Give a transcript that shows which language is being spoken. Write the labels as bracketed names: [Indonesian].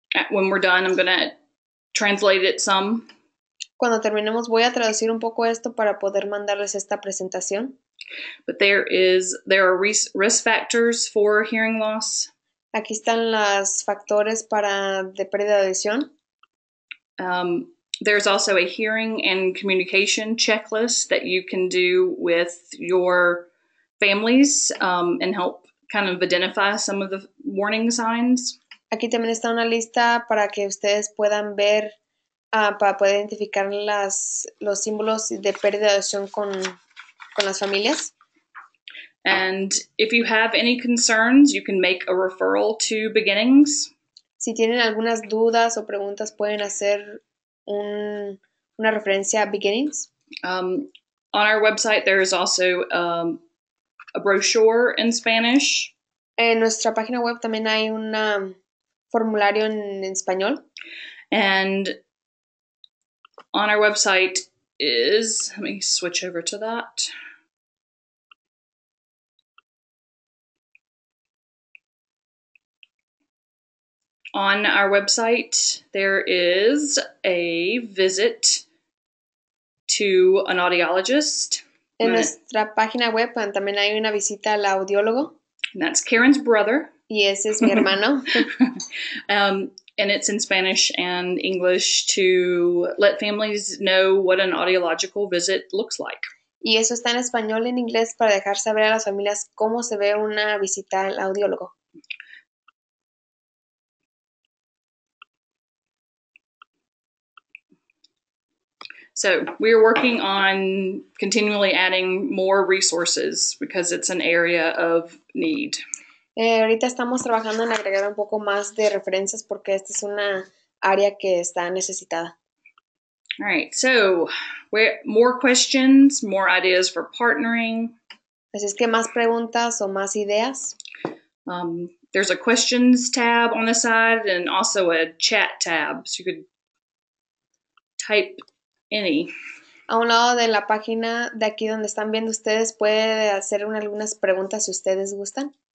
[English] When we're done, I'm going to translate it some. [Spanish] Cuando terminemos, voy a traducir un poco esto para poder mandarles esta presentación. [English] But there are risk factors for hearing loss. [Spanish] Aquí están los factores de pérdida de audición. [English] There's also a hearing and communication checklist that you can do with your families and help kind of identify some of the warning signs. [Spanish] Aquí también está una lista para que ustedes puedan ver, para poder identificar los símbolos de pérdida de audición con las familias. [English] And if you have any concerns, you can make a referral to Beginnings. [Spanish] Si tienen algunas dudas o preguntas, pueden hacer una referencia a Beginnings. [English] On our website, there is also a brochure in Spanish. [Spanish] En nuestra página web también hay un formulario en español. [English] And on our website is, let me switch over to that. On our website, there is a visit to an audiologist. [Spanish] En nuestra página web también hay una visita al audiólogo. [English] And that's Karen's brother. [Spanish] Y ese es mi hermano. [English] And it's in Spanish and English to let families know what an audiological visit looks like. [Spanish] Y eso está en español y en inglés para dejar saber a las familias cómo se ve una visita al audiólogo. [English] So we are working on continually adding more resources because it's an area of need. [Spanish] Ahorita estamos trabajando en agregar un poco más de referencias porque esta es una área que está necesitada. [English] All right, so more questions, more ideas for partnering. [Spanish] ¿Es que más preguntas o más ideas? [English] There's a questions tab on the side and also a chat tab, so you could type any. [Spanish] A un lado de la página de aquí donde están viendo ustedes, puede hacer algunas preguntas si ustedes gustan.